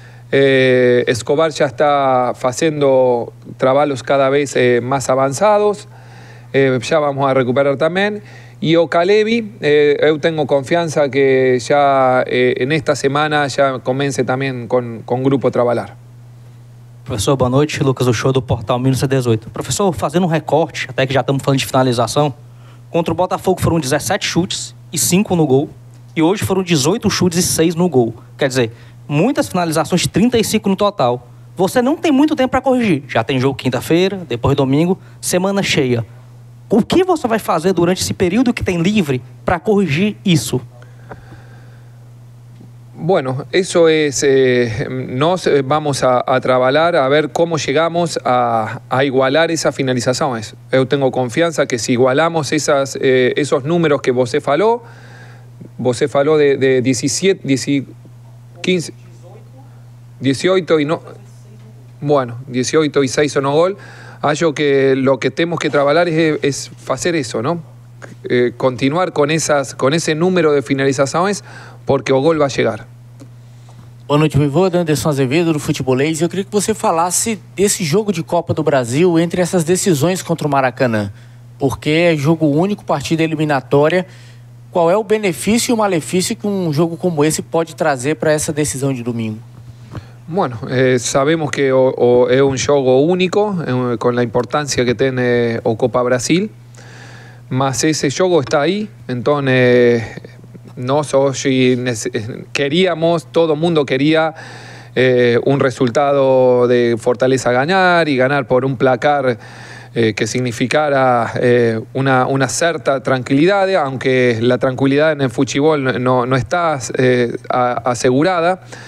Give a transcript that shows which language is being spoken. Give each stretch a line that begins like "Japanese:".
Spanish: Escobar ya está haciendo trabajos cada vez más avanzados. Ya vamos a recuperar también. Y Ocalevi, yo tengo confianza que ya en esta semana ya comience también con grupo a trabajar.
Portuguese: Profesor, boa noite. Lucas Uchoa, do Portal 1918. Profesor, fazendo um recorte, até que já estamos falando de finalização, contra o Botafogo foram 17 chutes e 5 no gol. E hoje foram 18 chutes e 6 no gol. Quer dizer, muitas finalizações, 35 no total. Você não tem muito tempo para corrigir. Já tem jogo quinta-feira, depois domingo, semana cheia. O que você vai fazer durante esse período que tem livre para corrigir isso?
Spanish: Bueno, eso es, nos vamos a trabajar a ver cómo llegamos a igualar esas finalizaciones. Yo tengo confianza que si igualamos esos números que vos faló de 17, 15, 18 y no, bueno, 18 y 6 o no gol, creo que lo que tenemos que trabajar es hacer eso, ¿no? Continuar con ese número de finalizaciones porque el gol va a llegar.
Portuguese: Boa noite, Voivoda, Anderson Azevedo, do Futebolês. Eu queria que você falasse desse jogo de Copa do Brasil entre essas decisões contra o Maracanã. Porque é jogo único, partida eliminatória. Qual é o benefício e o malefício que um jogo como esse pode trazer para essa decisão de domingo?
Spanish: Bueno, sabemos
Portuguese: que é um jogo único, com a importância que tem o Copa Brasil. Mas esse jogo está aí, então...
Spanish: Nosotros queríamos, todo mundo quería un resultado de Fortaleza ganar y ganar por un placar que significara una cierta tranquilidad, aunque la tranquilidad en el fútbol no está asegurada.